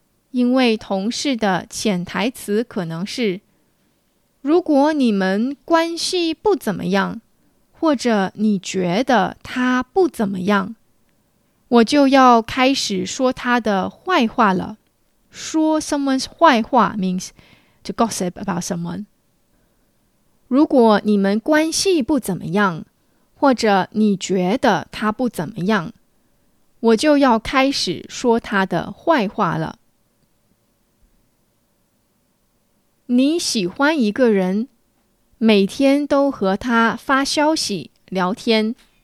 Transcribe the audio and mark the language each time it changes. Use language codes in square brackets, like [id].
[zh] 因为同事的潜台词可能是，如果你们关系不怎么样，或者你觉得他不怎么样，我就要开始说他的坏话了。 [en] 说 someone's 坏话 means to gossip about someone。 [zh] 如果你们关系不怎么样，或者你觉得他不怎么样，我就要开始说他的坏话了。你喜欢一个人，每天都和他发消息聊天。